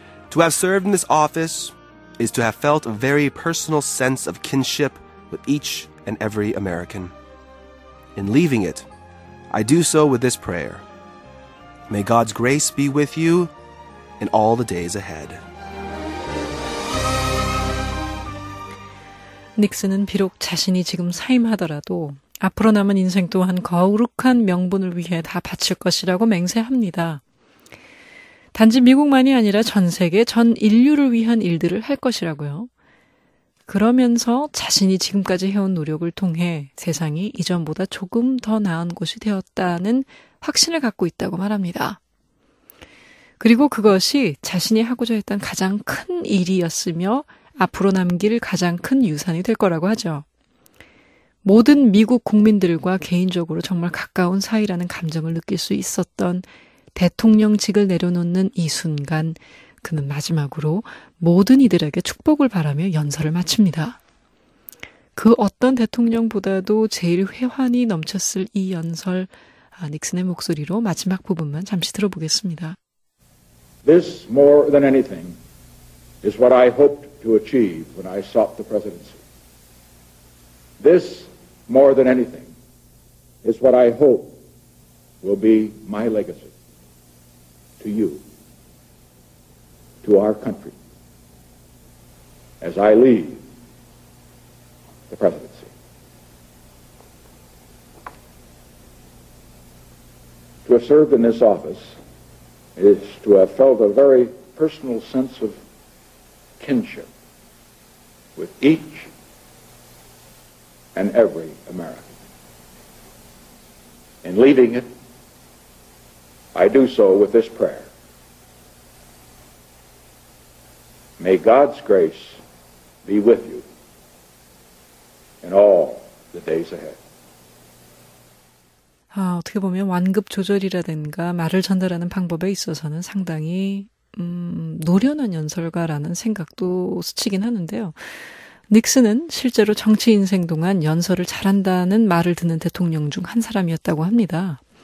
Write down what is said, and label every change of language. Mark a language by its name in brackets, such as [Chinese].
[English] To have served in this office is to have felt a very personal sense of kinship with each and every American. In leaving it, I do so with this prayer. May God's grace be with you in all the days ahead. [Korean] 닉슨은 비록 자신이 지금 사임하더라도 앞으로 남은 인생 또한 거룩한 명분을 위해 다 바칠 것이라고 맹세합니다. 단지 미국만이 아니라 전 세계 전 인류를 위한 일들을 할 것이라고요. 그러면서 자신이 지금까지 해온 노력을 통해 세상이 이전보다 조금 더 나은 곳이 되었다는 확신을 갖고 있다고 말합니다. 그리고 그것이 자신이 하고자 했던 가장 큰 일이었으며 앞으로 남길 가장 큰 유산이 될 거라고 하죠. 모든 미국 국민들과 개인적으로 정말 가까운 사이라는 감정을 느낄 수 있었던 대통령직을 내려놓는 이 순간, 그는 마지막으로 모든 이들에게 축복을 바라며 연설을 마칩니다. 그 어떤 대통령보다도 제일 회환이 넘쳤을 이 연설, 닉슨의 목소리로 마지막 부분만 잠시 들어보겠습니다. [English] This more than anything is what I hoped to achieve when I sought the presidency. This more than anything is what I hope will be my legacy to you, to our country, as I leave the presidency. To have served in this office is to have felt a very personal sense of kinship with each and every American. In leaving it, I do so with this prayer. May God's grace be with you in all the days ahead. [Korean] 아, 어떻게 보면 완급 조절이라든가 말을 전달하는 방법에 있어서는 상당히 노련한 연설가라는 생각도 스치긴 하는데요. 닉슨은 실제로 정치 인생 동안 연설을 잘한다는 말을 듣는 대통령 중 한 사람이었다고 합니다.